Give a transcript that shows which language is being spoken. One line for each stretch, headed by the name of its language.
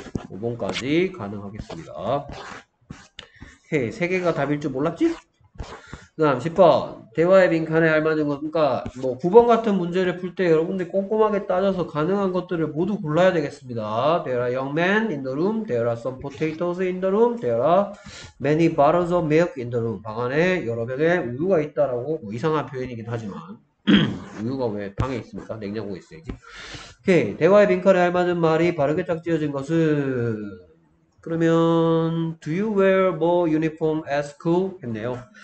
Korean: 5번까지 가능하겠습니다. 오케이, 세 개가 답일 줄 몰랐지? 그다음 10번 대화의 빈칸에 알맞은 것과 뭐 9번 같은 문제를 풀때 여러분들 꼼꼼하게 따져서 가능한 것들을 모두 골라야 되겠습니다.
English: There are young men in the room. There are some potatoes in the room. There are many bottles of milk in the room.
Korean: 방 안에 여러 병의 우유가 있다라고 뭐 이상한 표현이긴 하지만. 우유가 왜 방에 있습니까? 냉장고에 있어야지. 오케이. 대화의 빈칸에 알맞은 말이 바르게 짝지어진 것은 그러면
English: Do you wear 뭐 uniform at school?
Korean: 했네요.